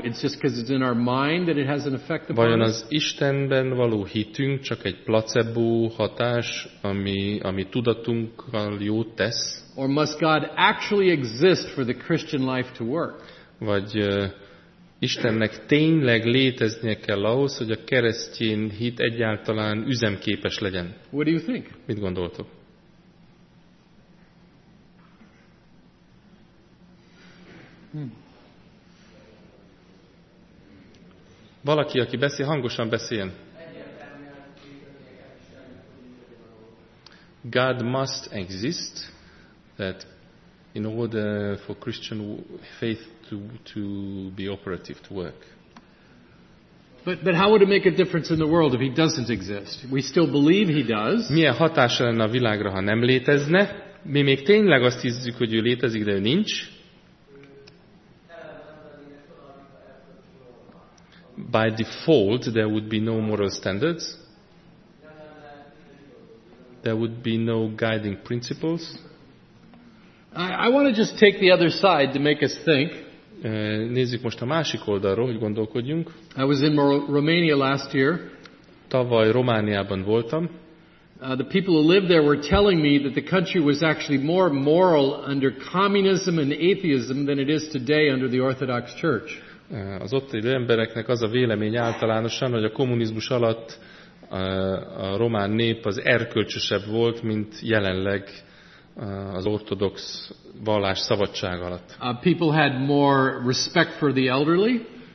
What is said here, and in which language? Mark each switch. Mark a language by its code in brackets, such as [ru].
[en] It's just because it's in our mind that it has an effect upon us. [hu] Vajon az Istenben való hitünk csak egy placebo hatás, ami tudatunkkal jót tesz? [en] Or must God actually exist for the Christian life to work? [hu] Vagy Istennek tényleg léteznie kell ahhoz, hogy a keresztény hit egyáltalán üzemképes legyen? [en] What do you think? [hu] Mit gondoltok? Valaki, aki beszél, hangosan beszéljen. [en] God must exist that in order for Christian faith to be operative, to work. But how would it make a difference in the world if he doesn't exist? We still believe he does. [hu] Milyen hatása lenne a világra, ha nem létezne? Mi még tényleg azt hiszük, hogy ő létezik, de ő nincs. [en] By default, there would be no moral standards. There would be no guiding principles. I want to just take the other side to make us think. [hu] Nézzük most a másik oldalról, hogy gondolkodjunk. [en] I was in Romania last year. [hu] Tavaly Romániában voltam. [en] The people who lived there were telling me that the country was actually more moral under communism and atheism than it is today under the Orthodox Church. [hu] Az ott élő embereknek az a vélemény általánosan, hogy a kommunizmus alatt a román nép az erkölcsösebb volt, mint jelenleg az ortodox vallás szabadság alatt. [en] People had more respect for the elderly.